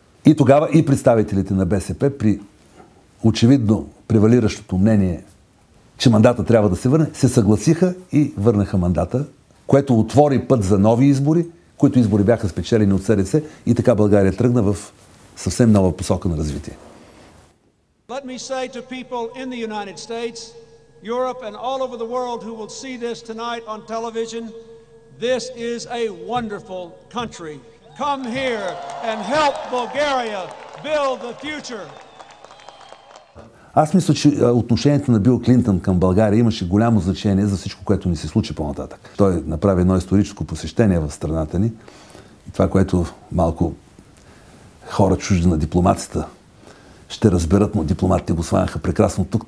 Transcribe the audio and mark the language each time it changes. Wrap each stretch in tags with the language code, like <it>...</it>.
<bg>И тогава и представителите на БСП при очевидно превалиращото мнение, че мандата трябва да се върне, се съгласиха и върнаха мандата, което отвори път за нови избори, които избори бяха спечелени от СДС и така България тръгна в съвсем нова посока на развитие.</bg> <en>Let me say to people in the United States, Europe and all over the world who will see this tonight on television, this is a wonderful country. Come here and help Bulgaria build the future.</en> <bg>Аз мисля, че отношението на Бил Клинтон към България имаше голямо значение за всичко, което ни се случи по-нататък. Той направи едно историческо посещение в страната ни. И това, което малко хора чужди на дипломацията ще разберат, но дипломатите го сванаха прекрасно тук.</bg>